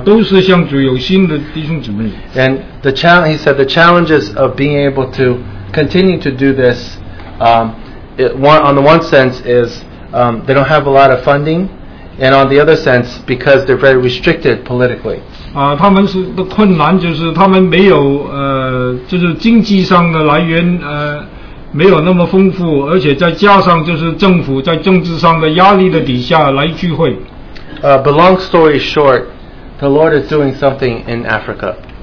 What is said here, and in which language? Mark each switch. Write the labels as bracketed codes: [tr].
[zh] 都是向主有心的弟兄姊妹。 [en] And he said the challenges of being able to continue to do this, on the one sense is they don't have a lot of funding, and on the other sense because they're very restricted politically. [zh] 他们的困难就是他们没有经济上的来源。没有那么丰富，而且再加上就是政府在政治上的压力的底下来聚会。 [en] But long story short, the Lord is doing something in Africa.